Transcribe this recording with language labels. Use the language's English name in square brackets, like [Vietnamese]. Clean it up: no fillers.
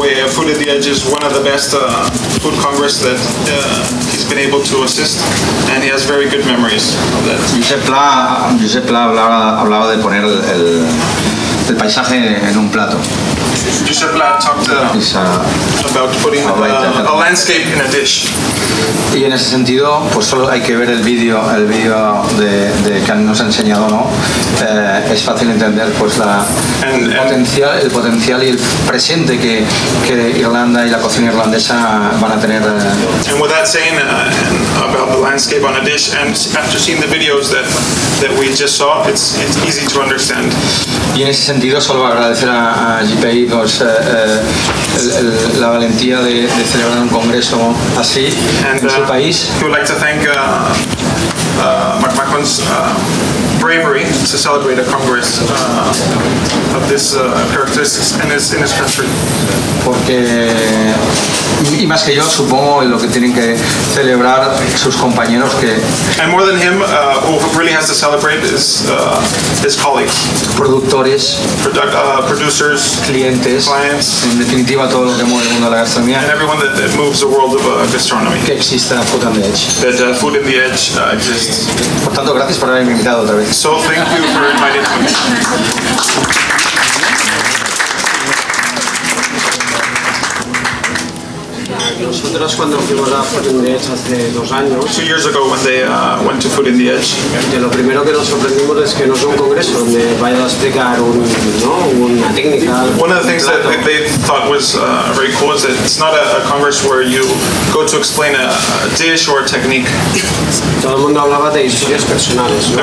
[English] Food at the Edge is one of the best food congress that he's been able to assist, and he has very good memories of that. [Spanish] Josep Pla hablaba de poner el paisaje en un plato. [English] Josep Pla talked about putting a landscape in a dish. [Spanish] Y en ese sentido, pues solo hay que ver el vídeo de que nos ha enseñado, ¿no? Es fácil entender pues el potencial y el presente que Irlanda y la cocina irlandesa van a tener. [English] And with that saying about the landscape on a dish, and after seeing the videos that we just saw, it's easy to understand. [Spanish] Y en ese sentido, solo agradecer a GPI pues, la valentía de celebrar un congreso así en su país. [English] We would like to thank Mark Macron's bravery to celebrate a congress of this characteristics in his country. [Spanish] Porque, y más que yo, supongo lo que tienen que celebrar sus compañeros que... [English] And more than him, who really has to celebrate is his colleagues. [Spanish] Productores. [English] Producers. [Spanish] Clientes. [English] Clients. [Spanish] En definitiva, todo lo que mueve el mundo de la gastronomía. [English] And everyone that moves the world of gastronomy. [Spanish] Que exista Food on the Edge. [English] That Food in the Edge exists. [Spanish] Por tanto, gracias por haberme invitado otra vez. [English] So thank you for inviting me. [Spanish] Nosotros cuando fuimos a Food in the Edge hace dos años, [English] 2 years ago when they went to Food in the Edge, [Spanish] que lo primero que nos sorprendimos es que no es un congreso donde vaya a explicar un, ¿no? Una técnica. [English] One of the things that they thought was very cool is that it's not a congress where you go to explain a dish or a technique. [Spanish] Todo el mundo hablaba de historias personales, ¿no?